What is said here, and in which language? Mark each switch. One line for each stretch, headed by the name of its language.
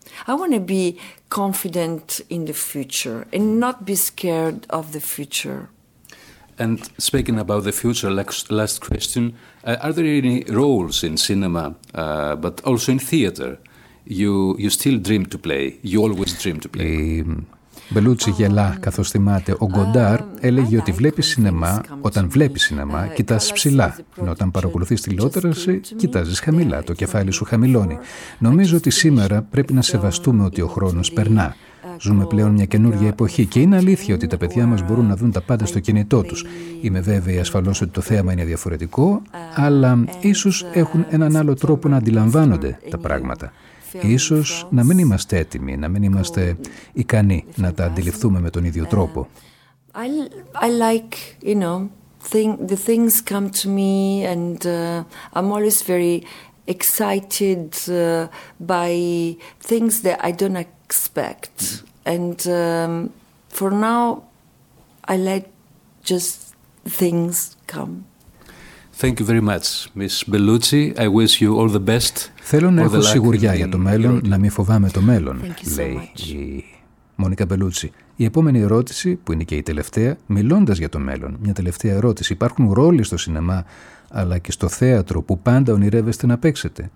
English: I want to be confident in the future and not be scared of the future. And speaking about the future, last question, are there any roles in cinema, but also in theater, you still dream to play, you always dream to play?
Greek: Μπελούτσι γελά, καθώς θυμάται. Ο Γκοντάρ έλεγε ότι βλέπει σινεμά όταν βλέπει σινεμά, κοιτάς ψηλά. Ενώ όταν παρακολουθείς τηλεόραση, κοιτάζεις χαμηλά, το κεφάλι σου χαμηλώνει. Νομίζω ότι σήμερα πρέπει να σεβαστούμε ότι ο χρόνος περνά. Ζούμε πλέον μια καινούργια εποχή και είναι αλήθεια ότι τα παιδιά μας μπορούν να δουν τα πάντα στο κινητό τους. Είμαι βέβαιη ασφαλώς ότι το θέαμα είναι διαφορετικό, αλλά ίσως έχουν έναν άλλο τρόπο να αντιλαμβάνονται τα πράγματα. Ίσως να μην είμαστε έτοιμοι, να μην είμαστε ικανοί να τα αντιληφθούμε με τον ίδιο τρόπο.
English: I like, you know, the things come to me and I'm always very excited by things that I don't expect. And for now, I let just things come. Thank you very much, Miss Bellucci. I wish you all the best.
Greek: Θέλω να έχω σιγουριά για το μέλλον, να μην φοβάμαι το μέλλον, λέει η Μόνικα Μπελούτσι. Η επόμενη ερώτηση, που είναι και η τελευταία, μιλώντας για το μέλλον, μια τελευταία ερώτηση. Υπάρχουν ρόλοι στο σινεμά, αλλά και στο θέατρο που πάντα ονειρεύεστε να παίξετε.